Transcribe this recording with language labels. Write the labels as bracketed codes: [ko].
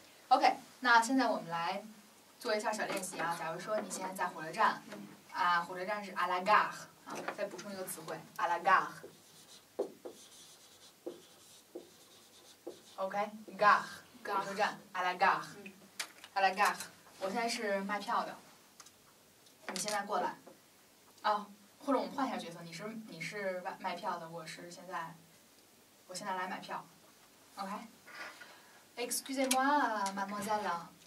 [zh] OK， 那现在我们来做一下小练习啊。假如说你现在在火车站，啊，火车站是 [fr] à la gare [zh] 啊，再补充一个词汇 à la gare。 [fr] OK， gare， [zh] 火车站 [fr] à la gare， à la gare。 [zh] 我现在是卖票的，你现在过来。哦，或者我们换一下角色，你是卖票的，我现在来买票。 OK。 [fr] Excusez-moi, mademoiselle.